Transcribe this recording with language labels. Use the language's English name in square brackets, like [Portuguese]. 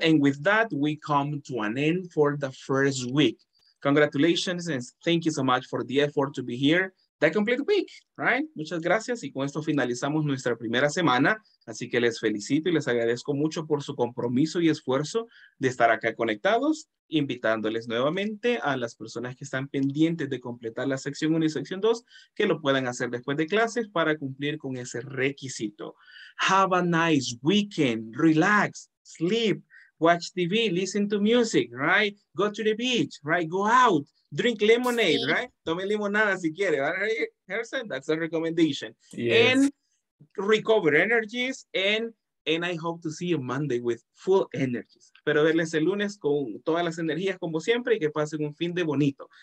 [English] And with that, we come to an end for the first week. Congratulations and thank you so much for the effort to be here. The complete week, right? [Spanish] Muchas gracias y con esto finalizamos nuestra primera semana, así que les felicito y les agradezco mucho por su compromiso y esfuerzo de estar acá conectados, invitándoles nuevamente a las personas que están pendientes de completar la sección 1 y sección 2, que lo puedan hacer después de clases para cumplir con ese requisito. [English] Have a nice weekend, relax, sleep, watch TV, listen to music, right? Go to the beach, right? Go out. Drink lemonade, sí. Right? [Spanish] Tome limonada si quiere. [English] Right? That's a recommendation. Yes. And recover energies. And I hope to see you Monday with full energies. [Spanish] Espero verles el lunes con todas las energías como siempre y que pasen un fin de bonito.